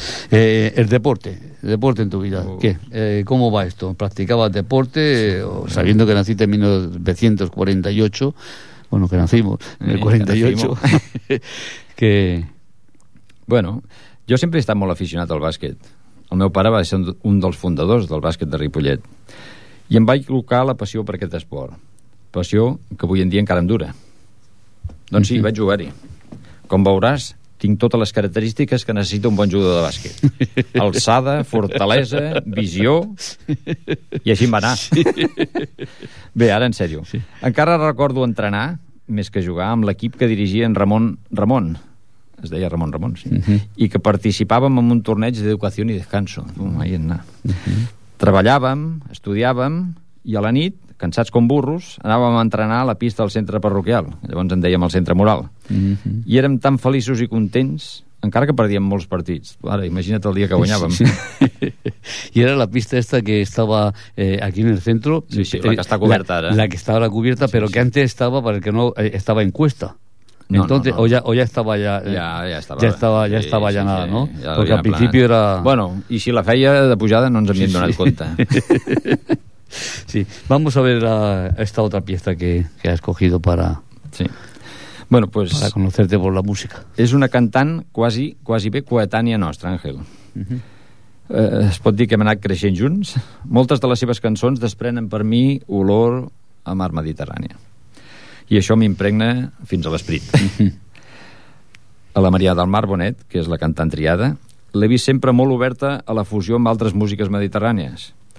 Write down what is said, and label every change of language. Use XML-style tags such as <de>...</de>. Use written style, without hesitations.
<es>El deporte. ¿El deporte en tu vida? ¿Qué? ¿Cómo va esto? ¿Practicabas deporte? Sí, sabiendo que naciste en 1948. Bueno, que nacimos en el 48. Que bueno, yo siempre he estado muy aficionado al básquet.</es> <ca>El meu pare va ser un dels fundadors del bàsquet de Ripollet. I em va inculcar la passió per aquest esport. Passió que avui en dia encara em dura. Doncs sí, vaig jugar-hi. Com veuràs, tinc totes les característiques que necessita un bon jugador de bàsquet. Alçada, fortalesa, visió... I així em va anar. Sí. Bé, ara en sèrio. Sí. Encara recordo entrenar, més que jugar, amb l'equip que dirigia en Ramon Ramon. Es deia Ramon Ramon, sí. Uh-huh. I que participàvem en un torneig d'educació i descanso. Mai en anar. Uh-huh. Treballàvem, estudiàvem, i a la nit, cansats com burros, anàvem a entrenar a la pista del centre parroquial. Llavors en dèiem el centre moral. Uh-huh. I érem tan feliços i contents, encara que perdíem molts partits. Ara, imagina't el dia que guanyàvem. Sí, sí. I era la pista esta que estava aquí en el centre. Sí, sí, la que està coberta ara. La que estava cubierta, sí, però sí, que antes estava, perquè no estava en cuesta.</ca> <es>No, entonces, no, no. O ya estaba ya...</es> <ca>Ja estava</ca> <es>sí, allanada, sí, sí, no?</es> <ca>Ja perquè al principi era... Bueno, i si la feia de pujada no ens havíem donat compte.</ca> <es>Sí, vamos a ver esta otra pieza que has escogido para, sí, bueno, pues, para conocerte por la música.</es> <ca>És una cantant quasi bé coetània nostra, Àngel. Uh-huh. Es pot dir que hem anat creixent junts. Moltes de les seves cançons desprenen per mi olor a mar mediterrània. I això m'impregna fins a l'esperit. Uh-huh. A la Maria del Mar Bonet, que és la cantant triada, l'he vist sempre molt oberta a la fusió amb altres músiques mediterrànies.</ca>